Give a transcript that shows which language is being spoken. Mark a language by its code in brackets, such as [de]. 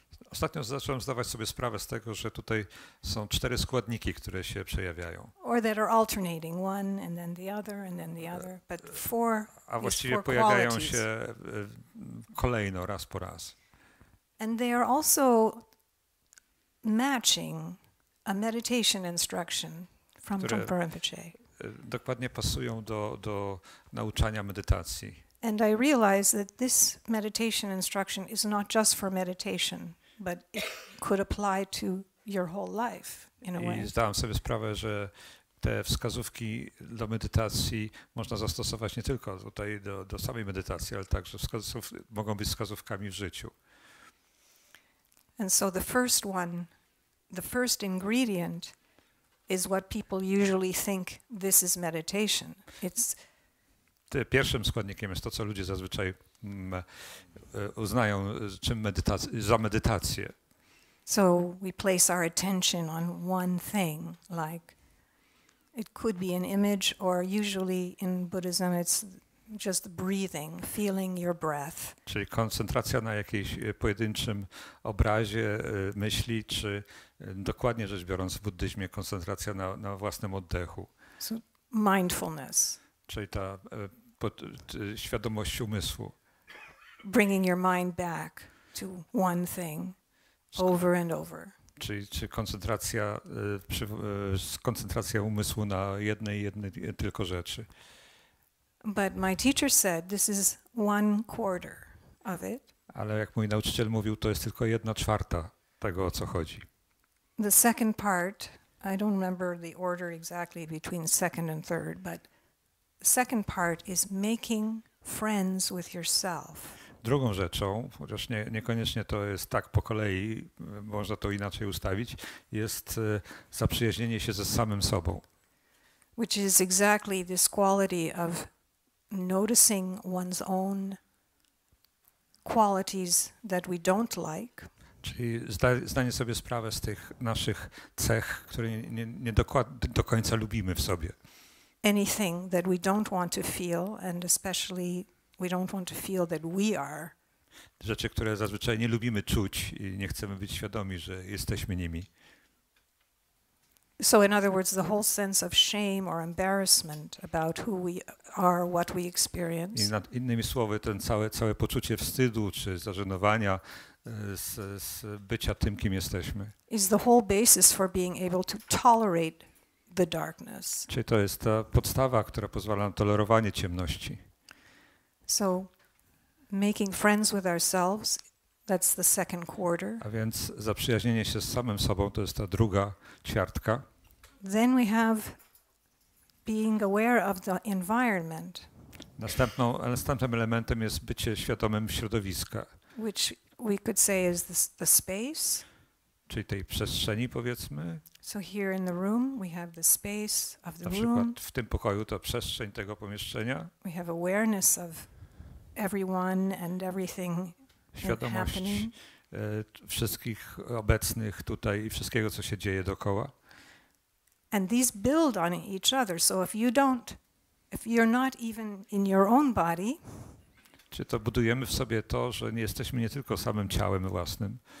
[pl] Ostatnio zacząłem zdawać sobie sprawę z tego, że tutaj są cztery składniki, które się przejawiają. [en] Or that are alternating one and then the other and then the other, but four. [pl] A właściwie pojawiają się kolejno raz po raz. [en] And they are also matching a meditation instruction from Trungpa Rinpoche. [pl] Dokładnie pasują do nauczania medytacji. [en] And I realize that this meditation instruction is not just for meditation, but it could apply to your whole life in a way. [pl] I zdałem sobie sprawę, że te wskazówki do medytacji można zastosować nie tylko tutaj do samej medytacji, ale także mogą być wskazówkami w życiu. [en] And so the first ingredient is what people usually think this is meditation. [pl] Pierwszym składnikiem jest to, co ludzie zazwyczaj uznają za medytację. [en] So we place our attention on one thing, like it could be an image, or usually in Buddhism it's just breathing, feeling your breath. [pl] Czyli koncentracja na jakiejś pojedynczym obrazie myśli, czy dokładnie rzecz biorąc w buddyzmie koncentracja na własnym oddechu. [en] So mindfulness. [pl] Czyli ta świadomość umysłu. [en] Bringing your mind back to one thing over and over. [pl] Czy koncentracja, koncentracja umysłu na jednej tylko rzeczy. [en] But my teacher said this is one quarter of it. [pl] Ale jak mój nauczyciel mówił, to jest tylko jedna czwarta tego, o co chodzi. [en] The second part, I don't remember the order exactly between second and third, but the second part is making friends with yourself. [pl] Drugą rzeczą, chociaż niekoniecznie to jest tak po kolei, można to inaczej ustawić, jest zaprzyjaźnienie się ze samym sobą. [en] Which is exactly this quality of noticing one's own qualities that we don't like. [pl] Czyli zdanie sobie sprawę z tych naszych cech, które nie do końca lubimy w sobie. [en] Anything that we don't want to feel, and especially we don't want to feel that we are [pl] rzeczy, które zazwyczaj nie lubimy czuć i nie chcemy być świadomi, że jesteśmy nimi. [en] So in other words, the whole sense of shame or embarrassment about who we are, what we experience. [pl] Innymi słowy, ten całe poczucie wstydu czy zażenowania z bycia tym, kim jesteśmy. [en] Is the whole basis for being able to tolerate the darkness. [pl] Czy to jest ta podstawa, która pozwala na tolerowanie ciemności. [en] So making friends with ourselves, that's the second quarter. [pl] A więc zaprzyjaźnienie się z samym sobą, to jest ta druga ćwiartka. [en] Then we have being aware of the environment. [pl] Następnym elementem jest bycie świadomym środowiska. [en] Which we could say is the space. [pl] Czyli tej przestrzeni, powiedzmy. [en] So here in the room we have the space of the room. [pl] Na przykład w tym pokoju to przestrzeń tego pomieszczenia. [en] We have awareness of everyone and everything. [pl] Świadomość wszystkich obecnych tutaj i wszystkiego, co się dzieje dookoła. [en] And these build on each other. So if you don't, if you're not even in your own body. [pl] Czy to budujemy w sobie to, że nie jesteśmy nie tylko samym ciałem własnym.